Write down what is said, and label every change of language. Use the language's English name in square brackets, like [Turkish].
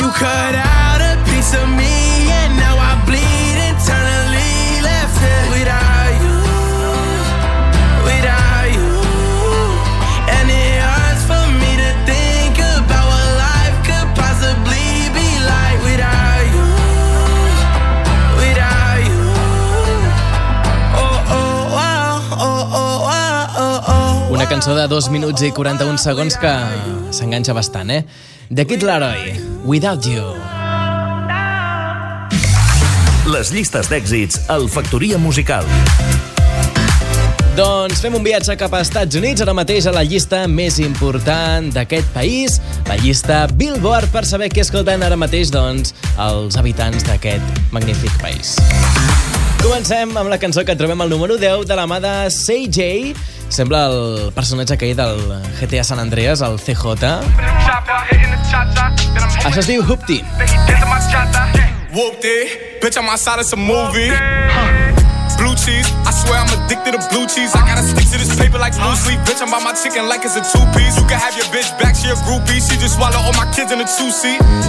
[English] You cut out a piece of me and now I bleed internally, left here without you, without you. And it hurts for me to think about what life could possibly be like without you, without you. Oh, oh, oh, oh, oh, oh, oh, oh. [Catalan] Una cançó de 2 minuts i 41 segons que s'enganxa bastant, eh? The Kid Laroi, Without You. Les llistes d'èxits al Factoria Musical. Doncs fem un viatge cap als Estats Units, ara mateix a la llista més important d'aquest país, la llista Billboard, per saber què escolten ara mateix, doncs, els habitants d'aquest magnífic país. Comencem amb la cançó que trobem al número 10 de la mà de CJ. Sembla el personatge que hi ha del GTA San Andreas, el CJ. Això es diu Hoopty. [English] Whoopty, bitch, I'm outside, it's a movie. Blue cheese, I swear I'm addicted to blue cheese. I gotta stick to this paper like blue sleep. Bitch, I'm by my chicken like it's a two-piece. You can have your bitch back, she a groupie. She just swallowed all my kids in a two-seat.